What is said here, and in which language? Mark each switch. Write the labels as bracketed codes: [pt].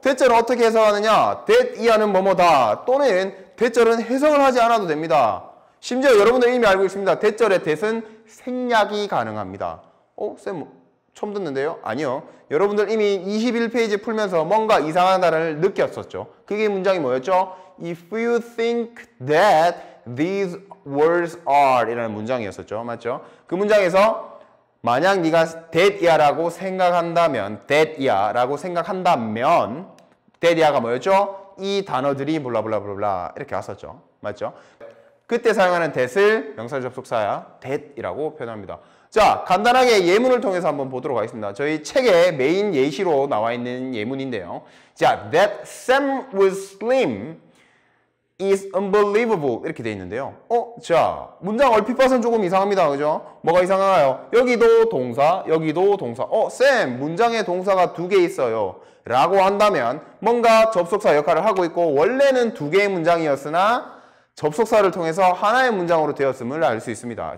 [ko] 대절을 어떻게 해석하느냐? 대이하는 뭐뭐다 또는 대절은 해석을 하지 않아도 됩니다. 심지어 여러분들 이미 알고 있습니다. 대절의 대는 생략이 가능합니다. 어? 쌤 처음 듣는데요? 아니요. 여러분들 이미 21페이지 풀면서 뭔가 이상한 단어를 느꼈었죠. 그게 문장이 뭐였죠? [en] If you think that these words are [ko] 이라는 문장이었었죠. 맞죠? 그 문장에서 만약 네가 that이야라고 생각한다면 that이야라고 생각한다면 that이야가 뭐였죠? 이 단어들이 블라블라블라 이렇게 왔었죠. 맞죠? 그때 사용하는 that을 명사 접속사야 that이라고 표현합니다. 자, 간단하게 예문을 통해서 한번 보도록 하겠습니다. 저희 책의 메인 예시로 나와 있는 예문인데요. [en] 자, that Sam was slim is unbelievable [ko] 이렇게 돼 있는데요. 어? 자, 문장 얼핏 봐선 조금 이상합니다. 그죠? 뭐가 이상하나요? 여기도 동사, 여기도 동사. 어? 쌤, 문장에 동사가 두 개 있어요. 라고 한다면 뭔가 접속사 역할을 하고 있고 원래는 두 개의 문장이었으나 접속사를 통해서 하나의 문장으로 되었음을 알 수 있습니다.